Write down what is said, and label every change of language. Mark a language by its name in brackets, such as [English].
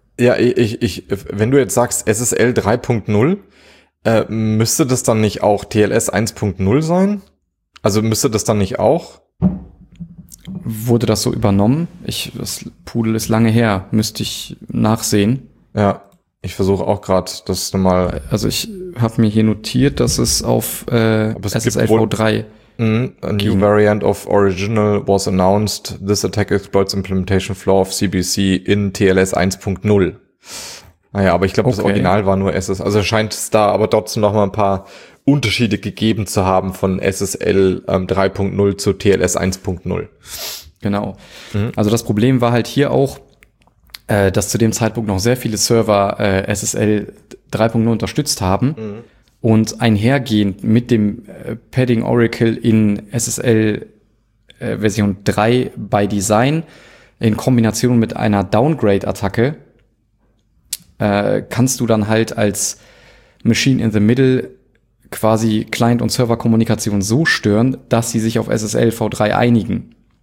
[German] Ja, wenn du jetzt sagst SSL 3.0, müsste das dann nicht auch TLS 1.0 sein? Also müsste das dann nicht auch? Wurde das so übernommen? Das Pudel ist lange her, müsste ich nachsehen. Ja, ich versuche auch gerade das nochmal. Also ich habe mir hier notiert, dass es auf Aber es gibt SSL wohl V3 [English] a new [German] ging. [English] variant of original was announced. This attack exploits implementation flaw of CBC in TLS 1.0. [German] Naja, aber ich glaube, das Okay. Original war nur SS. Also scheint es da aber trotzdem noch mal ein paar Unterschiede gegeben zu haben von SSL 3.0 zu TLS 1.0. Genau. Also das Problem war halt hier auch, dass zu dem Zeitpunkt noch sehr viele Server SSL 3.0 unterstützt haben und einhergehend mit dem Padding Oracle in SSL Version 3 by Design in Kombination mit einer Downgrade-Attacke kannst du dann halt als Machine in the Middle quasi Client- und Server-Kommunikation so stören, dass sie sich auf SSL V3 einigen.